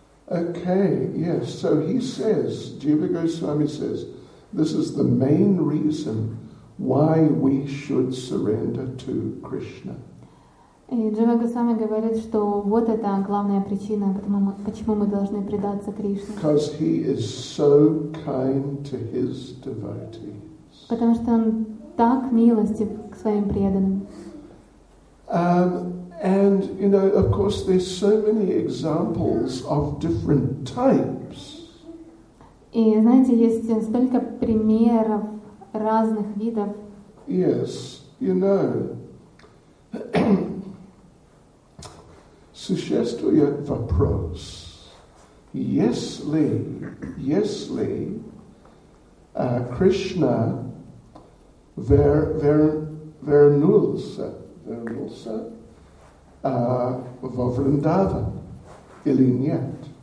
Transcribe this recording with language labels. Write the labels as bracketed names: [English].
[English] Okay, yes, so he says, Jiva Goswami says, this is the main reason why we should surrender to Krishna. [Russian] И Джива Госвами говорит, что вот это главная причина, почему мы должны предаться Кришне. [English] Because he is so kind to his devotees. [Russian] Потому что он так милостив к своим преданным. [English] And you know, of course, there's so many examples of different types. [Russian] И знаете, есть столько примеров разных видов. [English] Yes, you know. [Russian] Существует вопрос, если Кришна вернулся во Вриндаван или нет?